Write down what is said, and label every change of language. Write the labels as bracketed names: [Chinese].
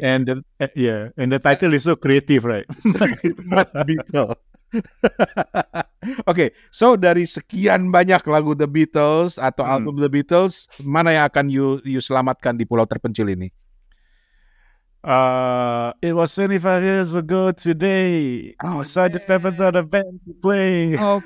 [English] And the title is so creative, right? Mad Beatle. Okay. [Indonesian] So dari sekian banyak lagu The Beatles atau album The Beatles, mana yang akan you selamatkan di pulau terpencil ini? [English] It was 25 years ago today. Oh, Sergeant Pepper's got a band playing.